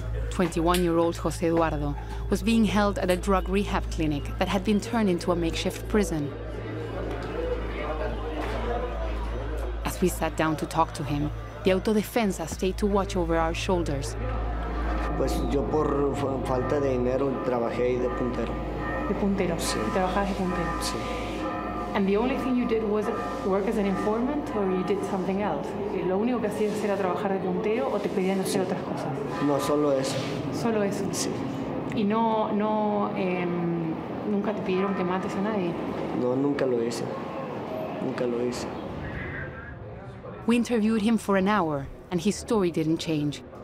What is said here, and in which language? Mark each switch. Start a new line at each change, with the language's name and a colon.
English: 21-year-old José Eduardo was being held at a drug rehab clinic that had been turned into a makeshift prison. As we sat down to talk to him, the autodefensa stayed to watch over our shoulders.
Spanish: Pues yo por falta de dinero trabajé de puntero. De puntero. Sí. Trabajas de puntero. Sí.
English: And the only thing you did was work as an informant, or you did something else?
Spanish: Lo único que hacías era trabajar de puntero, o te pedían hacer sí. otras cosas. No, solo eso. Solo eso. Sí. Y nunca te pidieron que mates a nadie. No, nunca lo hice. Nunca lo hice.
English: We interviewed him for an hour, and his story didn't change.